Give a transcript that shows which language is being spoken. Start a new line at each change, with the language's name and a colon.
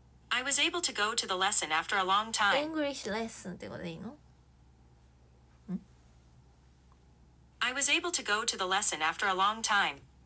English: I was able to go to the lesson after a long time.
Japanese: English lesson ってことでいいの？ん？
English: I was able to go to the lesson after a long time.